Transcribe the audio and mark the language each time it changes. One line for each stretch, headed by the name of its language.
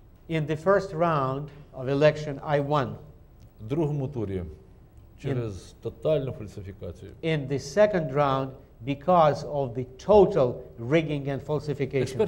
English: In the first round of election, I won.
Ukrainian: В другому турі через тотальну фальсифікацію.
English: In the second round, because of the total rigging and falsification.